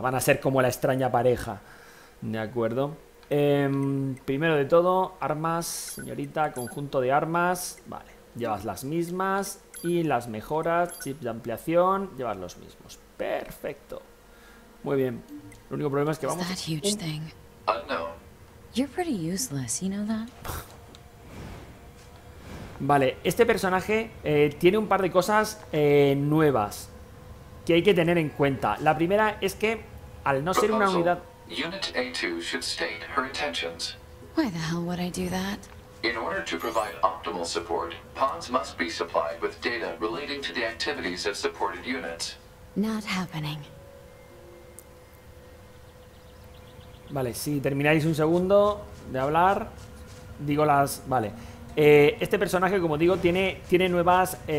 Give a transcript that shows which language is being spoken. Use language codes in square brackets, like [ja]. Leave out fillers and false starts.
[es] Van a ser como la extraña pareja. ¿De acuerdo? Primero de todo, armas, señorita, conjunto de armas. Vale, llevas las mismas y las mejoras, chip de ampliación, llevas los mismos. Perfecto. Muy bien. El único problema es que [en] Is that [es] vamos. [en] huge thing? Unknown. You're pretty useless, you know that? [es] Vale, este personaje tiene un par de cosas nuevas que hay que tener en cuenta. La primera es que al no ser una unidad... [en] Unit A2 should state her intentions. Why the hell would I do that? In order to provide optimal support, pods must be supplied with data relating to the activities of supported units. Not happening. [es] Vale, si termináis un segundo de hablar, digo las... Vale. Este personaje, como digo, tiene nuevas...